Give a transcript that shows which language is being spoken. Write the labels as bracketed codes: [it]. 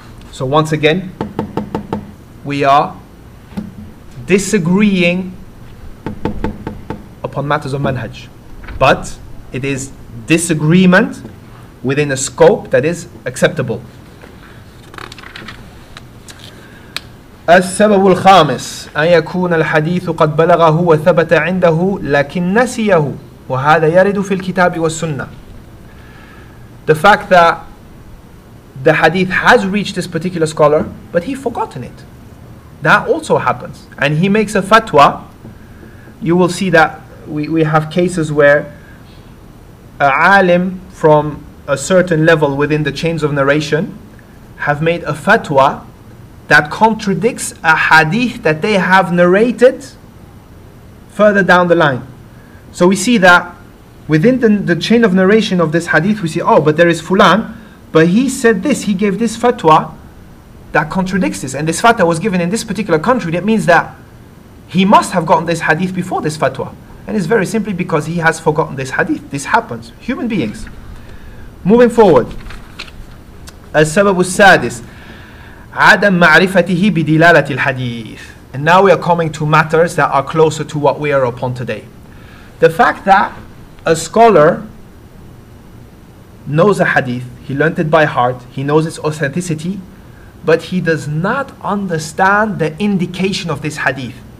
[en] So once again, we are disagreeing upon matters of manhaj, but it is disagreement within a scope that is acceptable. [ar] السبب الخامس أن يكون الحديث قد بلغه وثبت عنده لكن نسيه وهذا يرد في الكتاب والسنة. [en] The fact that the hadith has reached this particular scholar, but he forgotten it. That also happens. And he makes a fatwa. You will see that we have cases where a alim from a certain level within the chains of narration have made a fatwa that contradicts a hadith that they have narrated further down the line. So we see that within the chain of narration of this hadith, we see, oh, but there is Fulan, but he said this, he gave this fatwa that contradicts this. And this fatwa was given in this particular country. That means that he must have gotten this hadith before this fatwa. And it's very simply because he has forgotten this hadith. This happens. Human beings. Moving forward. [ar] السبب السادس عدم معرفته بدلالة الحديث. [en] And now we are coming to matters that are closer to what we are upon today. The fact that a scholar knows a hadith, he learned it by heart, he knows its authenticity, but he does not understand the indication of this hadith.